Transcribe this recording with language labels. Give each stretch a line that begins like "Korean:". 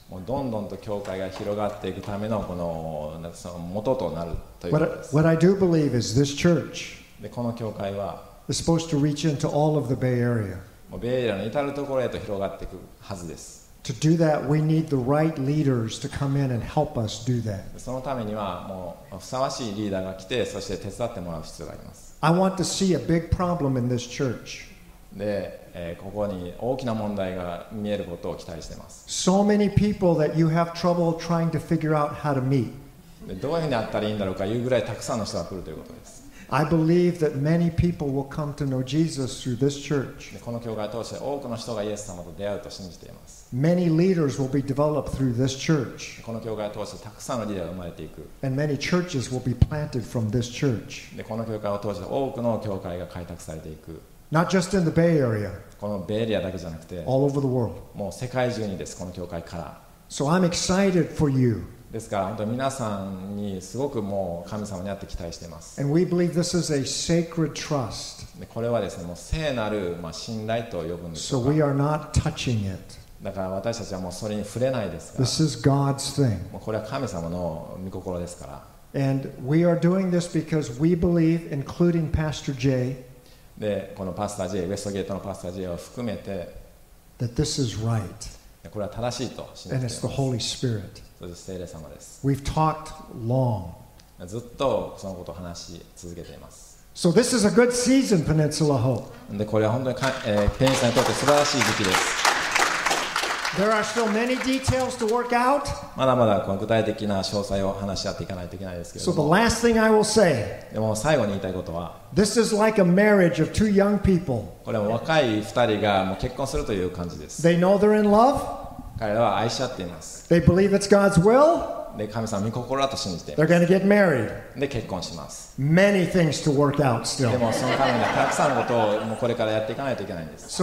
Japanese: もうどんどんと教会が広がっていくためのこの元となるということです。
English: What I do believe is this church
Japanese: でこの教会は
English: Is supposed to reach into all of the Bay Area.
Japanese: もうベイエリアの至る所へと広がっていくはずです。
English: To do that, we need the right leaders to come in and help us do that.
Japanese: そのためにはもうふさわしいリーダーが来て、そして手伝ってもらう必要があります。
English: I want to see a big problem in this church.
Japanese: で、ここに大きな問題が見えることを期待しています。
English: So many people that you have trouble trying to figure out how to meet.
Japanese: で、どういうふうにあったらいいんだろうかいうぐらいたくさんの人が来るということです。
English: I believe that many people will come to know Jesus through this church.
Japanese: この教会を通して多くの人がイエス様と出会うと信じています。
English: Many leaders will be developed through this church.
Japanese: この教会を通してたくさんのリーダーが生まれていく。
English: And many churches will be planted from this church.
Japanese: この教会を通して多くの教会が開拓されていく。
English: Not just in the Bay Area.
Japanese: このベイエリアだけじゃなくて、
English: all over the world.
Japanese: もう世界中にです、この教会から。
English: So I'm excited for you.
Japanese: ですから本当に皆さんにすごくもう神様に会って期待しています。
English: And we believe this is a sacred trust.
Japanese: でこれはですね、もう聖なる、まあ、信頼と呼ぶんですが。
English: So we are not touching it.
Japanese: だから私たちはもうそれに触れないですから。
English: This is God's thing.
Japanese: もうこれは神様の御心ですから。
English: And we are doing this because we believe, including Pastor Jay.
Japanese: でこのパスタージェイ、ウェストゲートのパスタージェイを含めて、
English: that this is right.
Japanese: これは正しいと信じています。
English: And it's the Holy Spirit.
Japanese: 聖霊様です。
English: We've talked long.
Japanese: ずっとそのことを話し続けています。
English: So this is a good season, Peninsula Hope.
Japanese: でこれは本当に、ペニンスラにとって素晴らしい時期です。
English: There are still many details to work out.
Japanese: まだまだこの具体的な詳細を話し合っていかないといけないですけれども。
English: So the last thing I will say.
Japanese: でも最後に言いたいことは。
English: This is like a marriage of two young people.
Japanese: これは若い2人がもう結婚するという感じです。
English: They know they're in love.
Japanese: 彼らは愛し合っています。
English: They believe it's God's will.
Japanese: で、神様の御心だと信じています。
English: They're going to get married.
Japanese: で、結婚します。
English: Many things to work out still.
Japanese: でも、そのためにはたくさんのことをもうこれからやっていかないといけないんです。